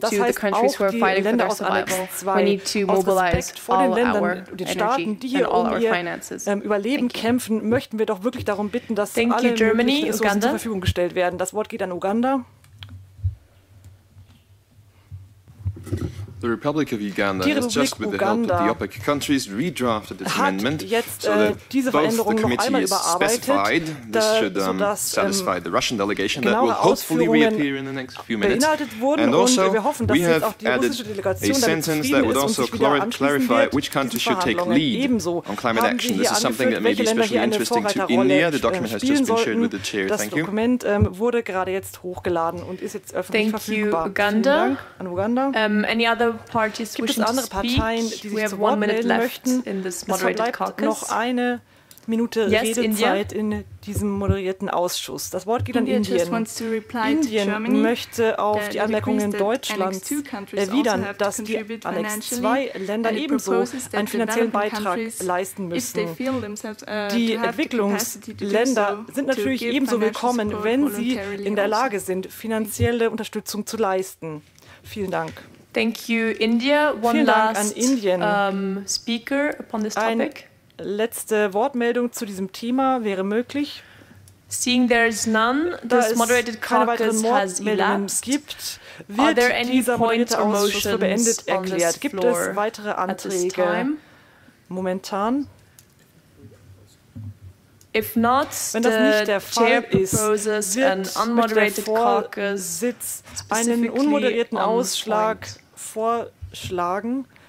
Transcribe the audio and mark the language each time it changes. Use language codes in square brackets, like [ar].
[de] Das heißt, auch die Länder aus Annex 2, aus Respekt vor den Ländern und den Staaten, die hier um ihr Überleben kämpfen, möchten wir doch wirklich darum bitten, dass alle Ressourcen zur Verfügung gestellt werden. Das Wort geht an Uganda. [en] The Republic of Uganda has just, with the help of the OPEC countries, redrafted this amendment so that both the committee is specified. This should satisfy the Russian delegation that will hopefully reappear in the next few minutes. And also, we have added a sentence that would also clarify which country should take lead on climate action. This is something that may be especially interesting to India. The document has just been shared with the chair. Thank you. [de] Das Dokument wurde gerade jetzt hochgeladen und ist jetzt öffentlich verfügbar. [en] Uganda. [de] An Uganda. [en] Any other parties [de] gibt es andere Parteien, die sich zu Wort melden möchten? [en] In this moderated [de] es verbleibt noch eine Minute Redezeit in diesem moderierten Ausschuss. Das Wort geht [en] India [de] an Indien. Indien möchte auf die Anmerkungen Deutschlands erwidern, dass die Annex II Länder ebenso einen finanziellen Beitrag leisten müssen. Die Entwicklungsländer sind natürlich ebenso willkommen, wenn sie in der Lage sind, finanzielle Unterstützung zu leisten. Vielen Dank. [en] Thank you, India. One speaker upon this topic. [de] Eine letzte Wortmeldung zu diesem Thema wäre möglich. [en] Seeing there is none, this moderated caucus has elapsed. [de] Wird dieser moderierte Ausschuss für beendet erklärt? Gibt es weitere Anträge? momentan. [en] If not, [de] wenn das nicht der Fall ist, wird mit der Vorsitz einen unmoderierten Ausschlag vorschlagen.